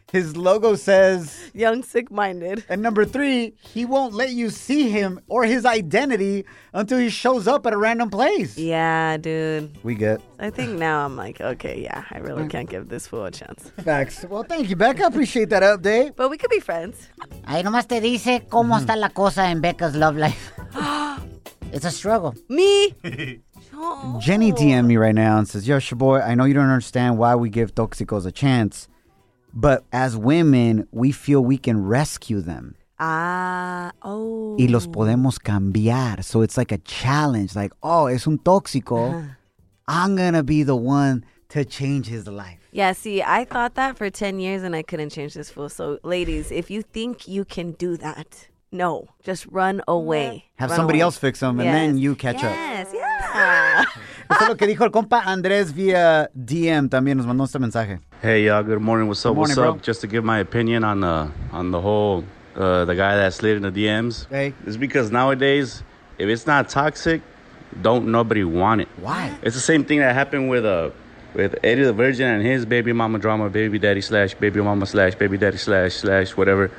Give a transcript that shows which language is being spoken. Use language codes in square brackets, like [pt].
[en] His logo says young, sick-minded. And number three, he won't let you see him or his identity until he shows up at a random place. Yeah, dude. We good. I think now I'm like, okay, yeah, I really can't give this fool a chance. Facts. Well, thank you, Becca. I appreciate that update. But we could be friends. [es] Ahí nomás te dice cómo está la cosa en [en] Becca's love life. It's a struggle. Me? Jenny DM'd me right now and says, yo, Shaboy, I know you don't understand why we give toxicos a chance, but as women, we feel we can rescue them. [es] Y los podemos cambiar. [en] So it's like a challenge. Like, oh, [es] es un tóxico. [en] I'm going to be the one to change his life. Yeah, see, I thought that for 10 years and I couldn't change this fool. So ladies, if you think you can do that, no. Just run away. Have run somebody away. Else fix him and then you catch up. Yes, yeah. [es] Eso es lo que dijo el compa Andrés vía DM. También nos mandó este mensaje. [en] Hey, y'all. Good morning. What's up? Good morning, what's up? Bro. Just to give my opinion on the whole, the guy that slid in the DMs. Hey. It's because nowadays, if it's not toxic, don't nobody want it. Why? It's the same thing that happened with Eddie the Virgin and his baby mama drama, baby daddy slash baby mama slash baby daddy slash slash whatever.